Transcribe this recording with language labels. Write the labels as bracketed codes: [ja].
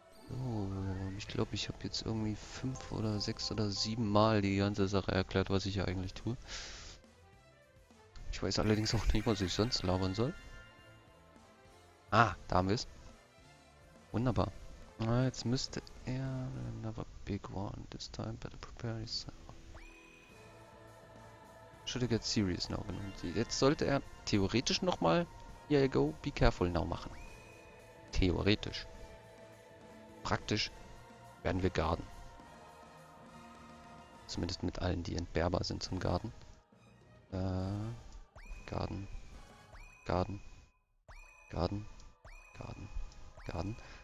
[de] Oh, ich glaube, ich habe jetzt irgendwie 5 oder 6 oder 7 Mal die ganze Sache erklärt, was ich hier eigentlich tue. Ich weiß allerdings auch nicht, was ich sonst labern soll. Ah, da haben wir es. Wunderbar. Ah, jetzt müsste er [en] another big one. This time better prepare yourself. Should I get serious now? [de] Jetzt sollte er theoretisch nochmal [en] Here you go, be careful now [de] machen. Theoretisch. Praktisch werden wir garden. Zumindest mit allen, die entbehrbar sind zum Garden. [en] Garden. Garden. Garden. Garden. Garden.